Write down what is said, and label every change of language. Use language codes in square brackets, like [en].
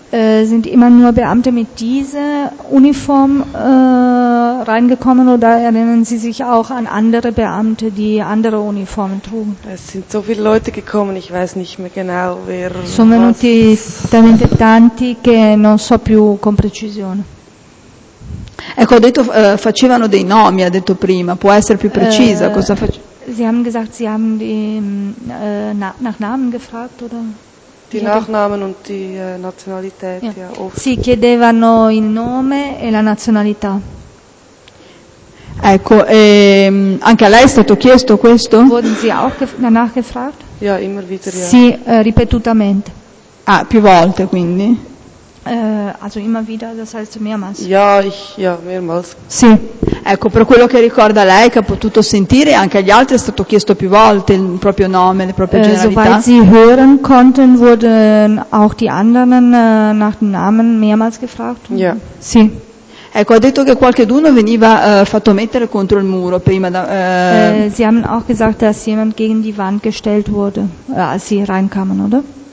[de] Sind immer nur Beamte mit dieser Uniform reingekommen oder erinnern Sie sich auch an andere Beamte, die andere Uniformen trugen? Es sind so viele Leute gekommen, ich weiß nicht mehr genau wer. [it] Sono venuti talmente tanti che non so più con precisione. Ecco, ha detto facevano dei nomi, ha detto prima, può essere più precisa cosa facevano? [de] Sie haben gesagt, Sie haben die nach Namen gefragt, oder? Die Nachnamen und die Nationalität, ja. [it] Sie chiedevano il nome e la nazionalità. Ecco, anche a lei è stato chiesto questo? [de] Wurden Sie auch danach gefragt? Ja, immer wieder, ja. [it] Sì, ripetutamente. Ah, più volte, quindi? [de] Also immer wieder, das heißt mehrmals. Ja, mehrmals. [it] Sì. Ecco, per quello che ricorda lei, che ha potuto sentire, anche agli altri è stato chiesto più volte il proprio nome, le proprie generalità. [de] Soweit sie hören konnten, wurden auch die anderen nach dem Namen mehrmals gefragt. Ja. [it] Sì. Ecco, ha detto che qualcheduno veniva fatto mettere contro il muro prima da. [de] Sie haben auch gesagt, dass jemand gegen die Wand gestellt wurde, als sie reinkamen, oder?